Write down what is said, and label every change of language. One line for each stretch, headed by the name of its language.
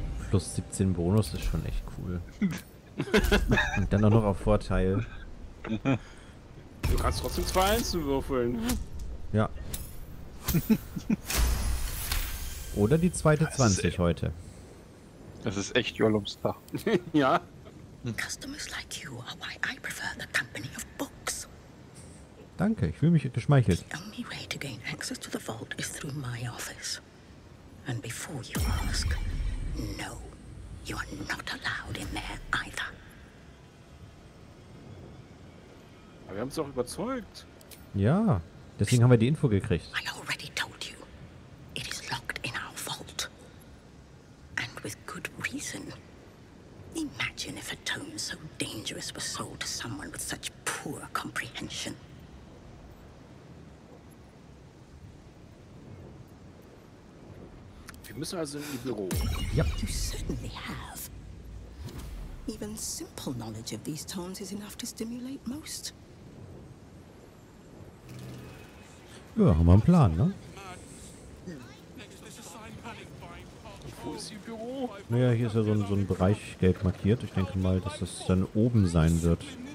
German: Plus 17 Bonus ist schon echt cool. Und dann auch noch auf Vorteil. Du kannst trotzdem 2 Einsen würfeln. Ja. Oder die zweite 20 heute. Das ist echt Jollums Tag. Ja.
English: Customers like you are why I prefer the company of books.
German: Danke, ich fühle mich geschmeichelt.
English: The only way to gain access to the vault is through my office. And before you ask, no, you are not allowed in there either.
German: Aber wir haben es auch überzeugt. Ja, deswegen haben wir die Info gekriegt.
English: I already told you. It is locked in our vault. And with good reason. Imagine if a tome so dangerous was sold to someone with such poor comprehension.
German: Wir müssen also in die Büro.
English: Ja. You certainly have. Even simple knowledge of these tomes is enough to stimulate most.
German: Ja, haben wir einen Plan, ne? Wo ist ihr Büro? Naja, hier ist ja so ein Bereich gelb markiert. Ich denke mal, dass das dann oben sein wird.